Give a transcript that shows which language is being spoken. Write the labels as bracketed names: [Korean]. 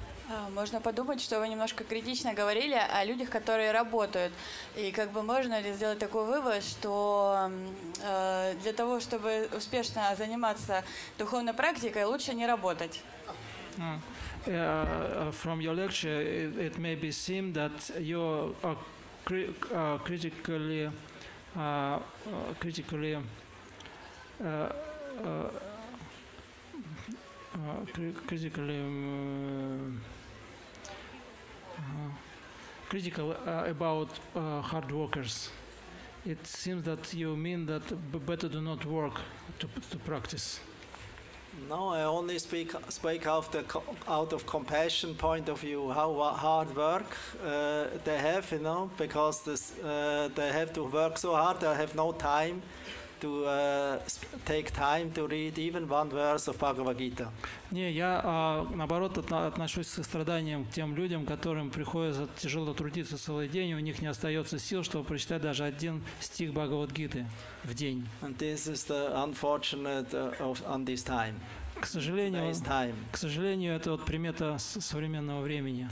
[Russian] А, Можно подумать, что вы немножко критично говорили о людях, которые работают. И как бы можно ли сделать такой вывод, что для того, чтобы успешно заниматься духовной практикой, лучше не работать? [English] From your lecture, it may be seem that you are critical about hard workers. It seems that you mean that better do not work to practice. No, I only speak out of compassion point of view. How hard work they have, you know, because this, they have to work so hard. They have no time to take time to read even one verse of Bhagavad Gita. [Russian] Не, я наоборот отношусь со страданием к тем людям, которым приходится тяжело трудиться целый день, и у них не остается сил, чтобы прочитать даже один стих Бхагавад Гиты в день. [English] And this is the unfortunate on this time. [Russian] К сожалению, это вот примета современного времени.